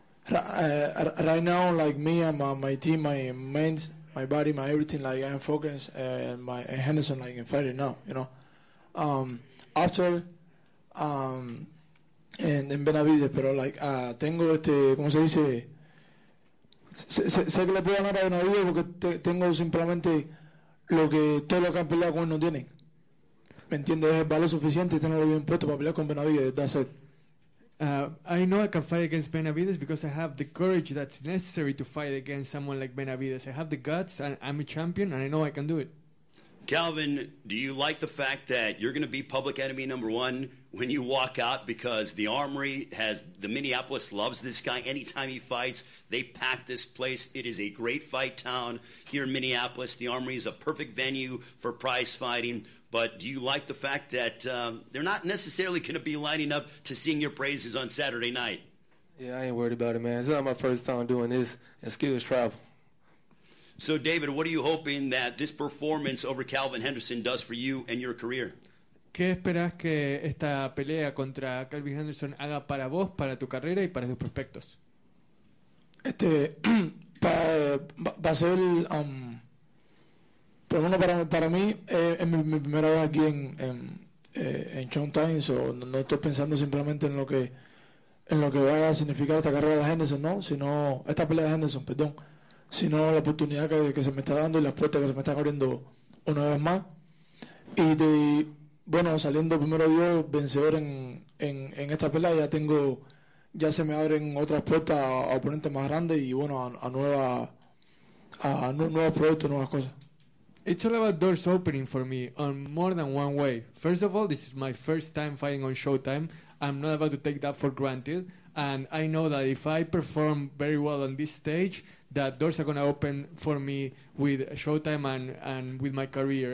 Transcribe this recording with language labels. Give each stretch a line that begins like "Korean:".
English: Right now, like me and my team, my mind, my body, my everything, like I'm focused, and Henderson, like in fighting now, you know.
Spanish: After, en Benavides, pero like, tengo este, ¿cómo se dice? Sé que le puedo ganar a Benavides porque tengo simplemente lo que todos los que han peleado con él no tienen. ¿Me entiendes? Es el valor suficiente tenerlo bien puesto para pelear con Benavides,
English: that's it. I know I can fight against Benavidez because I have the courage that's necessary to fight against someone like Benavidez. I have the guts, and I'm a champion, and I know I can do it. Calvin, do you like the fact that you're going to be public enemy number one when you walk out, because the Armory has, the Minneapolis loves this guy. Anytime he fights, they pack this place. It is a great fight town here in Minneapolis. The Armory is a perfect venue for prize fighting. But do you like the fact that they're not necessarily going to be lining up to sing your praises on Saturday night? Yeah, I ain't worried about it, man. It's not my first time doing this. Excuse travel. So, David, what are you hoping that this performance over Calvin Henderson does for you and your career?
Spanish: ¿Qué esperas que esta pelea contra Calvin Henderson haga para vos, para tu carrera y para tus prospectos? Este, va a ser... Pero bueno, para mí es mi primera vez aquí en Showtime, so no estoy pensando simplemente en lo que vaya a significar esta carrera de Henderson, ¿no? Sino esta pelea de Henderson, perdón, sino la oportunidad que se me está dando y las puertas que se me están abriendo una vez más. Y de, bueno, saliendo primero yo vencedor en esta pelea, ya se me abren otras puertas a oponentes más grandes y bueno, a nuevos proyectos, nuevas cosas.
English: It's all about doors opening for me on more than one way. First of all, this is my first time fighting on Showtime. I'm not about to take that for granted. And I know that if I perform very well on this stage, that doors are going to open for me with Showtime and with my career.